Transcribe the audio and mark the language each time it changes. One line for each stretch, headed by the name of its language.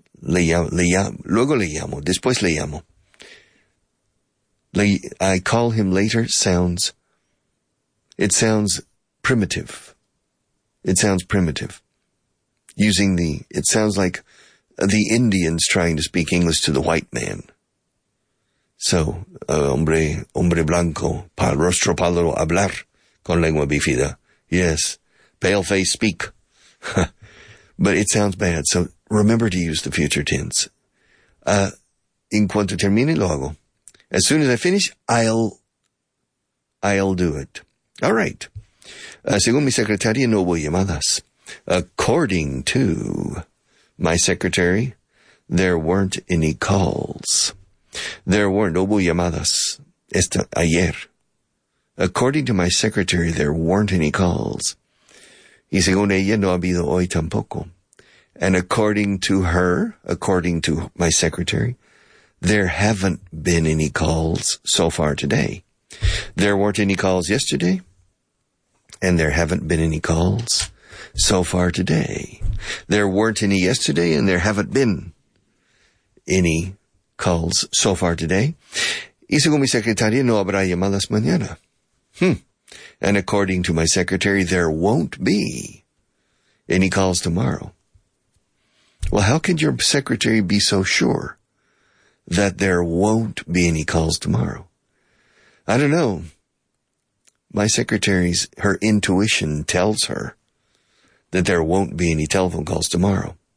Spanish: Luego le llamo.
English: I call him later. It sounds primitive. It sounds like the Indians trying to speak English to the white man.
Spanish: So, hombre blanco, rostro pálido, hablar con lengua bífida.
English: Yes, pale face, speak. But it sounds bad, so remember to use the future tense.
Spanish: En cuanto termine, lo hago.
English: As soon as I finish, I'll do it. All right.
Spanish: Según mi secretaria, no hubo llamadas.
English: According to my secretary, there weren't any calls.
Spanish: No hubo llamadas ayer.
English: According to my secretary, there weren't any calls.
Spanish: Y según ella, no ha habido hoy tampoco.
English: And according to my secretary, there haven't been any calls so far today. There weren't any calls yesterday, and there haven't been any calls so far today. There weren't any yesterday, and there haven't been any calls so far today.
Spanish: Y según mi secretaria, no habrá llamadas mañana.
English: And according to my secretary, there won't be any calls tomorrow. Well, how can your secretary be so sure that there won't be any calls tomorrow? I don't know. My secretary's, her intuition tells her that there won't be any telephone calls tomorrow.